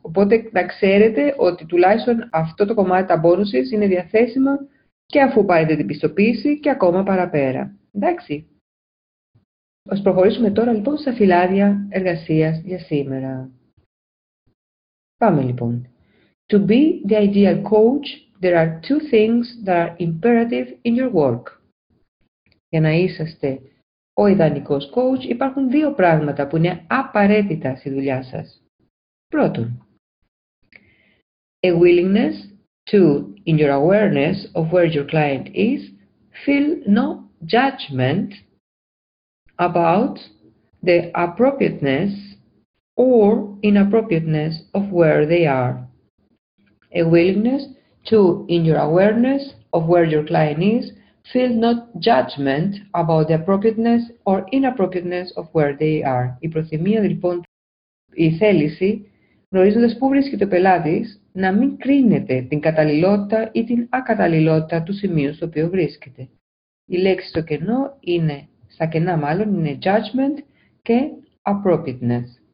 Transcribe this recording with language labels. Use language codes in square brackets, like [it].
[el] Οπότε να ξέρετε ότι τουλάχιστον αυτό το κομμάτι τα bonuses είναι διαθέσιμα και αφού πάρετε την πιστοποίηση και ακόμα παραπέρα. Εντάξει. Ας προχωρήσουμε τώρα λοιπόν στα φυλάδια εργασίας για σήμερα. Πάμε λοιπόν. [en] To be the ideal coach, there are two things that are imperative in your work. [el] Για να είσαστε ο ιδανικός coach, υπάρχουν δύο πράγματα που είναι απαραίτητα στη δουλειά σας. Πρώτον, [en] a willingness to, in your awareness of where your client is, feel no judgment about the appropriateness or inappropriateness of where they are. A willingness to, in your awareness of where your client is, feel not judgment about the appropriateness or inappropriateness of where they are. [el] Η προθυμία, λοιπόν, η θέληση, γνωρίζοντας πού βρίσκεται ο πελάτης, να μην κρίνεται την καταλληλότητα ή την ακαταλληλότητα του σημείου στο οποίο βρίσκεται. Η λέξη στο κενό είναι, στα κενά μάλλον, είναι judgment και appropriateness.